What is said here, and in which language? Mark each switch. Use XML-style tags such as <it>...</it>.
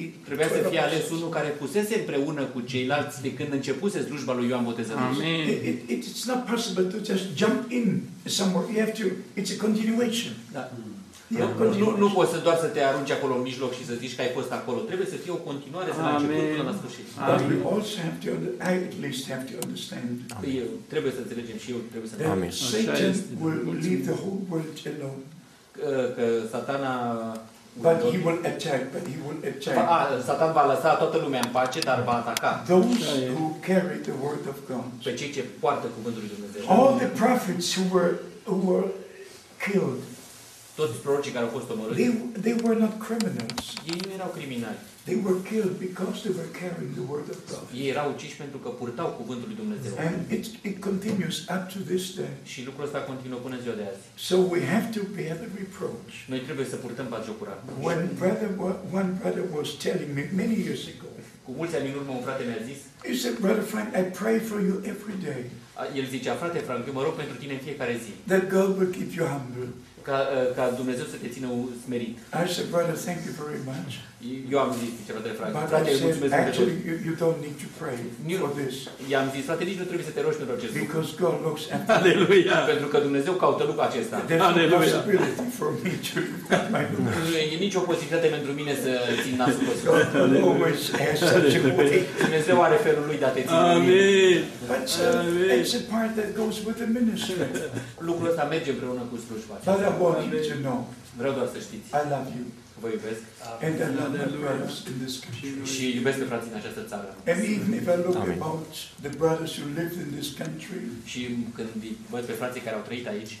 <ro>Trebuia să fie ales unul care fusese împreună cu ceilalți de când începuse slujba lui Ioan Botezătorul. Amen.</ro> <en>It's not possible to just jump in somewhere. You have to. It's a continuation.</en> <ro>Da. Nu poți să doar să te arunci acolo în mijloc și să zici că ai fost acolo. Trebuie să fie o continuare de la început până la sfârșit.</ro> <en>But we also have to understand.</en> <ro>Trebuie să înțelegem și eu, trebuie să înțelegem.</ro> <en>Satan will leave the whole world alone.</en> <ro>Că Satana.</ro> <en>But he will attack, but he will attack.</en> <ro>Satan va lăsa toată lumea în pace, dar va ataca.</ro> <en>Those who carry the word of God.</en> <ro>Pe cei ce poartă cuvântul lui Dumnezeu.</ro> <en>All the prophets who were killed.</en> <ro>toți prorocii care au fost omorâți.</ro> <en>They were not criminals.</en> <ro>Ei nu erau criminali.</ro> <en>They were killed because they were carrying the word of God.</en> <ro>Ei erau uciși pentru că purtau cuvântul lui Dumnezeu.</ro> <en>And it continues up to this day.</en> <ro>Și lucrul ăsta continuă până ziua de azi.</ro> <en>So we have to bear the reproach.</en> <ro>Noi trebuie să purtăm batjocura.</ro> <en>One brother was telling me many years ago.</en> <ro>Cu mulți ani în urmă, un frate mi-a zis.</ro> <en>He said, brother Frank, I pray for you every day.</en> <ro>El zicea, frate Frank, eu mă rog pentru tine în fiecare zi.</ro> <en>That God will keep you humble.</en> <ro>Ca Dumnezeu să te țină smerit.</ro> <en>I said, brother, thank you very much.</en> <ro>Eu am zis, zice, frate, mulțumesc.</ro> <en>Actually, you don't need to pray for this.</en> <ro>I-am zis, frate, nici nu trebuie să te rogi pentru acest lucru.</ro> <en>Because God looks at me. Aleluia.</en> <ro>Pentru că Dumnezeu caută lucrul acesta.</ro> <en>Aleluia. For me to my</en> <ro>nu e nicio posibilitate pentru mine să țin nasul pe</ro> <en>sus. Always</en> <ro>Dumnezeu are felul lui de a te ține. Amin.</ro> <en>But it's a part that goes with the ministry.</en> <ro>Lucrul ăsta merge împreună cu slujba.</ro> <en>Father, I want you to know.</en> <ro>Vreau doar să știți.</ro> <en>I love you.</en> <ro>Vă iubesc.</ro> <en>And I love my brothers in this country.</en> <ro>Și iubesc pe frații în această țară.</ro> <en>And even if I look about the brothers who live in this country.</en> <ro>Și când văd pe frații care au trăit aici.</ro>